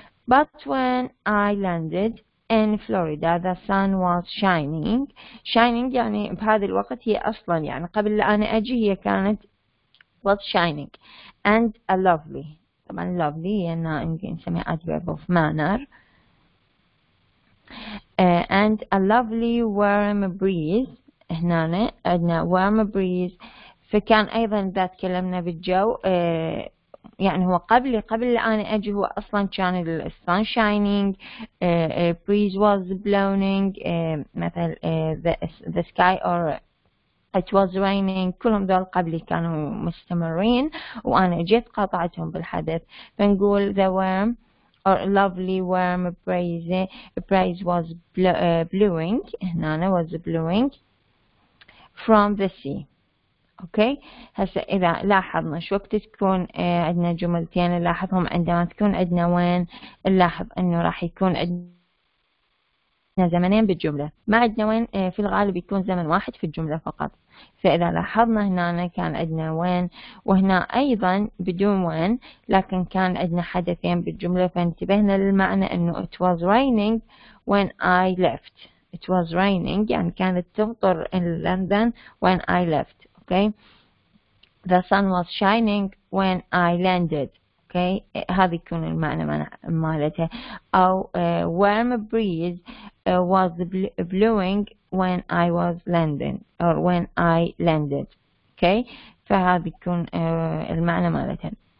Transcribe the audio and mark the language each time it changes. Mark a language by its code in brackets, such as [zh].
[en] But when I landed in Florida, the sun was shining. [ar] Shining يعني بهذا الوقت هي أصلا يعني قبل أنا أجي هي كانت [en] was shining and a lovely. [ar] طبعا lovely يعني نسميها adverb of manner. [en] And a lovely warm breeze. هنا عندنا warm breeze. [ar] فكان أيضا إذا تكلمنا بالجو يعني هو قبل أنا أجي هو أصلا كان السن شاينينج، بريز واز بلونينج، مثل [en] the sky or it was raining، [ar] كلهم دول قبلي كانوا مستمرين وأنا جيت قاطعتهم بالحدث. فنقول [en] the warm or lovely warm breeze was blowing [ar] هنا [en] was blowing from the sea. [ar] اوكي هسه اذا لاحظنا شو وقت تكون عندنا جملتين نلاحظهم عندما تكون عندنا وين، نلاحظ انه راح يكون عندنا زمنين بالجمله، ما عندنا وين في الغالب يكون زمن واحد في الجمله فقط. فاذا لاحظنا هنا كان عندنا وين وهنا ايضا بدون وين، لكن كان عندنا حدثين بالجمله، فانتبهنا للمعنى انه [en] it was raining when I left. It was raining and [ar] كانت تمطر [en] in London when I left. Okay. The sun was shining when I landed. Okay. [ar] هذه يكون المعنى مالتها. [en] أو warm breeze was blowing when I was landing or when I landed. Okay. [ar] فهذه يكون المعنى مالتها.